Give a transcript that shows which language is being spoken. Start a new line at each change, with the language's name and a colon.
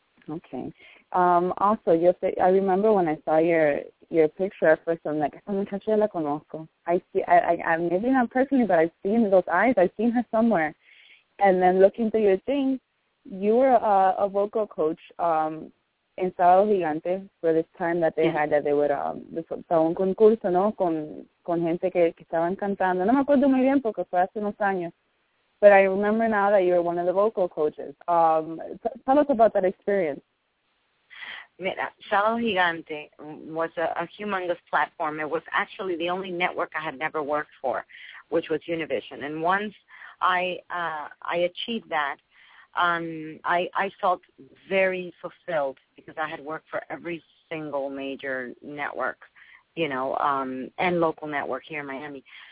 English: Okay. Also, I remember when I saw your picture at first, I'm like,
Spanish: esa muchacha la conozco.
English: Maybe not personally, but I've seen those eyes. I've seen her somewhere. And then looking through your thing, you were a vocal coach in Sábado Gigante for this time that they had, that they would,
Spanish: un concurso, ¿no? Con, con gente que estaban cantando. No me acuerdo muy bien porque fue hace unos años.
English: But I remember now that you were one of the vocal coaches. Tell us about that experience.
Spanish: Mira,
English: Salo Gigante was a humongous platform. It was actually the only network I had never worked for, which was Univision. And once I achieved that, I felt very fulfilled because I had worked for every single major network, you know, and local network here in Miami.